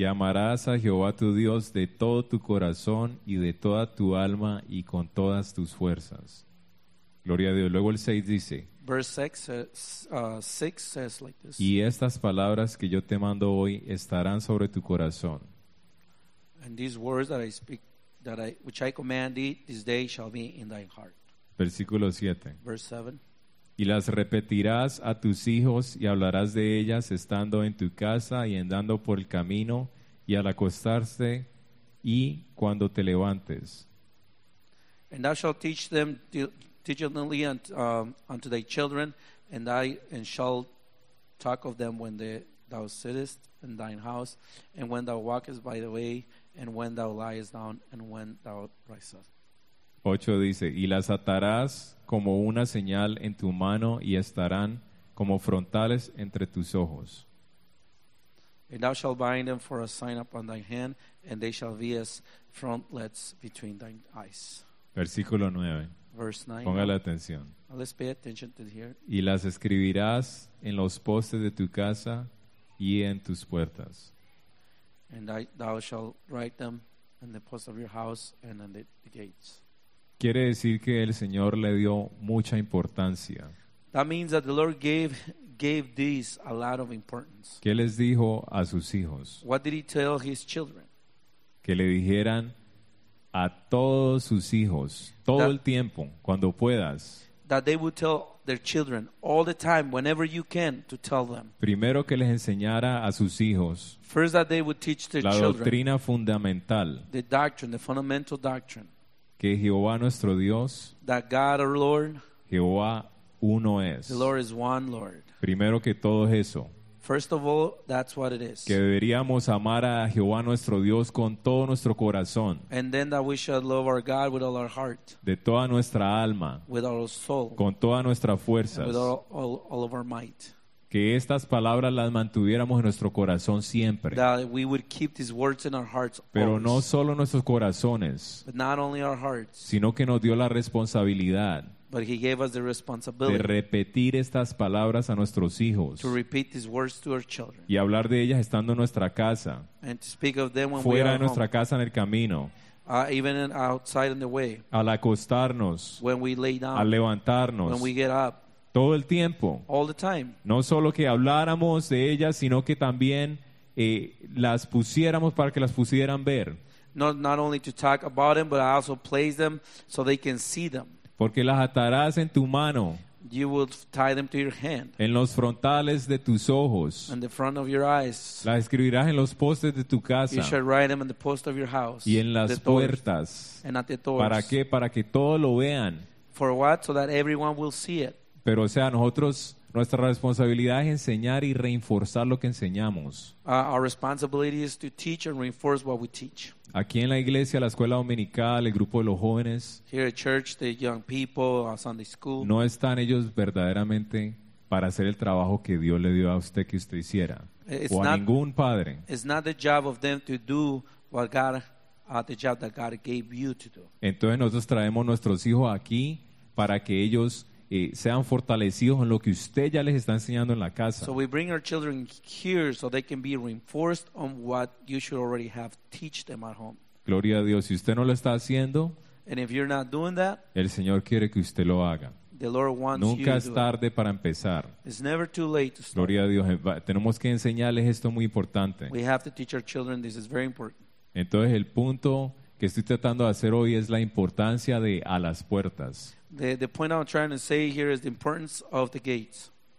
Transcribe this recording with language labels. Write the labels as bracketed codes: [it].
[es] Y amarás a Jehová tu Dios de todo tu corazón y de toda tu alma y con todas tus fuerzas. Gloria a Dios. Luego el 6 dice. [en] Verse 6 says like this. [es] Y estas palabras que yo te mando hoy estarán sobre tu corazón. [en] And these words that I speak, which I command thee this day shall be in thy heart. [es] Versículo 7. [en] Verse 7. [es] Y las repetirás a tus hijos y hablarás de ellas estando en tu casa y andando por el camino y al acostarse y cuando te levantes. [en] And thou shalt teach them diligently unto thy children, and shall talk of them when thou sittest in thine house, and when thou walkest by the way, and when thou liest down, and when thou risest. [es] 8 dice, y las atarás como una señal en tu mano, y estarán como frontales entre tus ojos. [en] And thou shalt bind them for a sign upon thy hand, and they shall be as frontlets between thine eyes. [es] Versículo 9. [en] Verse 9. [es] Póngale atención. [en] Let's pay attention to here. [es] Y las escribirás en los postes de tu casa y en tus puertas. [en] And thou shalt write them in the posts of your house and in the gates. [es] Quiere decir que el Señor le dio mucha importancia. [en] That means that the Lord gave this a lot of importance. [es] ¿Qué les dijo a sus hijos? [en] What did he tell his children? [es] Que le dijeran a todos sus hijos, todo el tiempo, cuando puedas. [en] That they would tell their children all the time, whenever you can, to tell them. [es] Primero que les enseñara a sus hijos. [en] First that they would teach their children. [es] La doctrina fundamental. [en] The doctrine, the fundamental doctrine. [es] Que Jehová nuestro Dios. [en] That God our Lord. [es] Jehová uno es. [en] The Lord is one Lord. [es] Primero que todo eso. [en] First of all, that's what it is. [es] Que deberíamos amar a Jehová nuestro Dios con todo nuestro corazón. [en] And then that we should love our God with all our heart. [es] De toda nuestra alma. [en] With our soul. [es] Con toda nuestra fuerza. [en] With all of our might. [es] Que estas palabras las mantuviéramos en nuestro corazón siempre. [en] That we would keep these words in our hearts. [es] Pero [en] always. [es] No solo nuestros corazones. [en] But not only our hearts. [es] Sino que nos dio la responsabilidad. [en] But he gave us the responsibility [es] de repetir estas palabras a nuestros hijos. [en] To repeat these words to our children. [es] Y hablar de ellas estando en nuestra casa. [en] And to speak of them when [es] fuera [en] we are [es] de nuestra [en] home. [es] Casa en el camino. [en] Even outside in the way. [es] Al acostarnos. [en] When we lay down. [es] Al levantarnos. [en] When we get up. [es] Todo el tiempo. [en] All the time. [es] No solo que habláramos de ellas, sino que también las pusiéramos para que las pudieran ver. [en] Not only to talk about them, but also place them so they can see them. [es] Porque las atarás en tu mano. [en] You will tie them to your hand. [es] En los frontales de tus ojos. [en] In the front of your eyes. [es] Las escribirás en los postes de tu casa. [en] You shall write them in the post of your house. [es] Y en las puertas. [en] And at the doors. [es] ¿Para qué? Para que todos lo vean. [en] For what? So that everyone will see it. [es] Pero o sea, nosotros, nuestra responsabilidad es enseñar y reforzar lo que enseñamos. [en] Our responsibility is to teach and reinforce what we teach. [es] Aquí en la iglesia, la escuela dominical, el grupo de los jóvenes. [en] Here at church, the young people, Sunday school. [es] No están ellos verdaderamente para hacer el trabajo que Dios le dio a usted que usted hiciera. [en] It's [es] o a [en] not, [es] ningún padre. [en] It's not the job of them to do what God, the job that God gave you to do. [es] Entonces nosotros traemos nuestros hijos aquí para que ellos sean fortalecidos en lo que usted ya les está enseñando en la casa. [en] So we bring our children here so they can be reinforced on what you should already have teach them at home. [es] Gloria a Dios. Si usted no lo está haciendo, [en] and if you're not doing that, [es] el Señor quiere que usted lo haga. [en] The Lord wants [es] Nunca [en] you [es] es tarde [en] it. [es] Para empezar. [en] It's never too late to start. [es] Gloria a Dios. Tenemos que enseñarles esto muy importante. [en] We have to teach our children this is very important. [es] Entonces el punto que estoy tratando de hacer hoy es la importancia de a las puertas. [en] The point I'm trying to say here is the importance of the gates.